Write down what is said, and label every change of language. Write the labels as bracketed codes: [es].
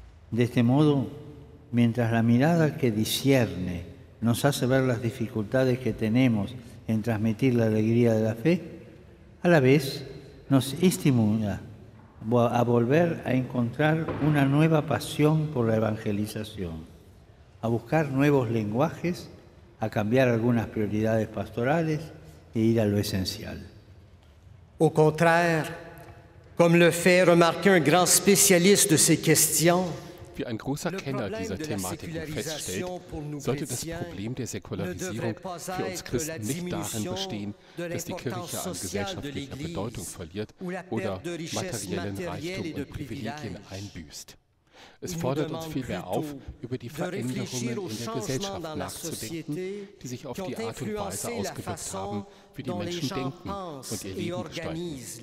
[es] De este modo, mientras la mirada que discierne nos hace ver las dificultades que tenemos en transmitir la alegría de la fe, a la vez nos estimula a volver a encontrar una nueva pasión por la evangelización, a buscar nuevos lenguajes, a cambiar algunas prioridades pastorales e ir a lo esencial. [fr] Au contraire, comme le fait remarquer un grand spécialiste de ces questions, [de] wie ein großer Kenner dieser Thematiken feststellt, sollte das Problem der Säkularisierung für uns Christen nicht darin bestehen, dass die Kirche an gesellschaftlicher Bedeutung verliert oder materiellen Reichtum und Privilegien einbüßt. Es fordert uns vielmehr auf, über die Veränderungen in der Gesellschaft nachzudenken, die sich auf die Art und Weise ausgewirkt haben, wie die Menschen denken und ihr Leben gestalten.